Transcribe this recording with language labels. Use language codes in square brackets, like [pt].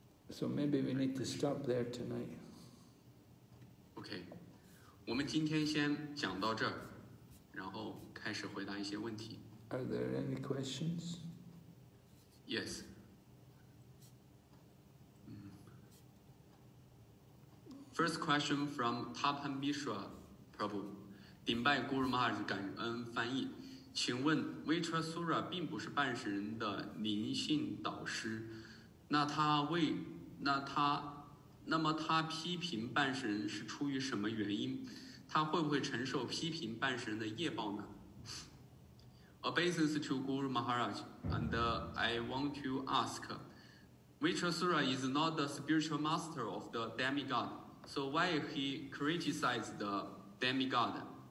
[en] So maybe we need to stop there tonight. [zh] Okay, 我们今天先讲到这儿，然后开始回答一些问题。 [en] Are there any questions? Yes. First question from Tapan Mishra Prabhu. [zh] 顶拜 Guru Maharaj 感恩翻译。请问 Vritasura 并不是半世人的灵性导师，那么他批评半世人是出于什么原因？他会不会承受批评半世人的业报呢？ [en] Obeisance to Guru Maharaj, and I want to ask, Vritasura is not the spiritual master of the demigod, so why he criticized the demigod?